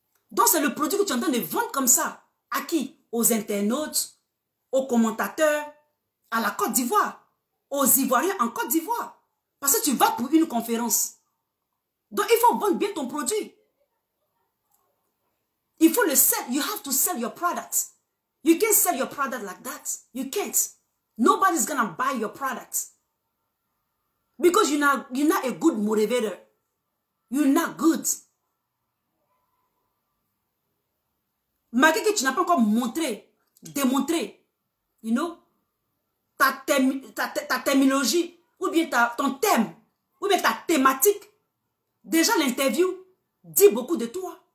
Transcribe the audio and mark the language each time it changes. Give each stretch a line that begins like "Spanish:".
French: Donc, c'est le produit que tu es en train de vendre comme ça. À qui? Aux internautes, aux commentateurs, à la Côte d'Ivoire, aux Ivoiriens en Côte d'Ivoire. Parce que tu vas pour une conférence. Donc, il faut vendre bien ton produit. Il faut le sell.
English: You have to sell your product. You can't sell your product like that. You can't. Nobody's gonna buy your product. Because you're not a good motivator. You're not good.
French: Malgré que tu n'as pas encore montré, démontré, you know, ta terminologie, ou bien ton thème, ou bien ta thématique, déjà l'interview dit beaucoup de toi.